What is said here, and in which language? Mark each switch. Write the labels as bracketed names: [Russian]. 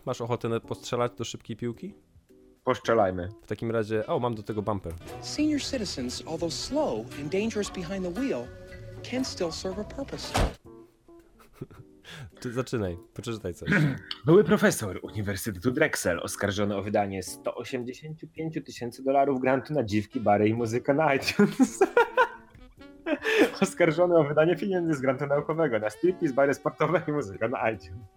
[Polish] Masz ochotę postrzelać do szybkiej piłki? Poszczelajmy. W takim razie, mam do tego bumper. [English] Senior citizens, although slow and dangerous behind the wheel, can still serve a purpose. [Polish] Zaczynaj, poczytaj coś. Były profesor Uniwersytetu Drexel oskarżony o wydanie 185 tysięcy dolarów grantu na dziwki, bary i muzykę na iTunes. Oskarżony o wydanie pieniędzy z grantu naukowego na striptease, bary sportowe i muzykę na iTunes.